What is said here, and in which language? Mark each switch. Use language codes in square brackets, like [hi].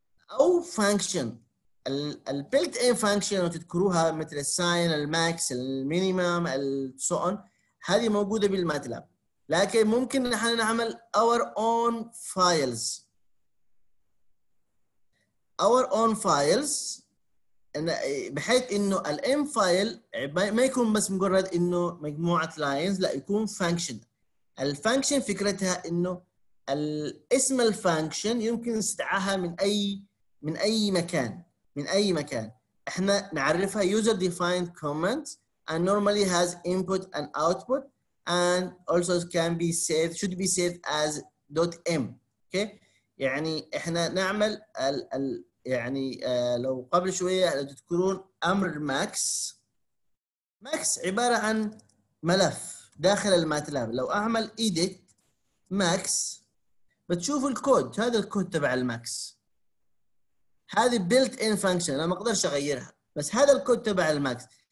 [ar] أو function، ال built-in function لو تذكروها مثل sign، max، minimum، [en] so on، [ar] هذه موجودة بالماتلاب، لكن ممكن نحن نعمل [en] our own files. Our own files [ar] بحيث إنه ال M file ما يكون بس مجرد إنه مجموعة lines، لا يكون function. ال function فكرتها إنه الاسم الفانكشن يمكن استدعاها من اي مكان، من اي مكان احنا نعرفها [en] user defined comments and normally has input and output and also can be saved should be saved as .m. [ar] اوكي okay؟ يعني احنا نعمل ال يعني لو قبل شويه لو تذكرون امر ماكس، ماكس عباره عن ملف داخل الماتلاب، لو اعمل edit max بتشوف الكود، هذا الكود تبع الماكس، هذه [en] built in function [ar] انا ما اقدرش اغيرها، بس هذا الكود تبع الماكس.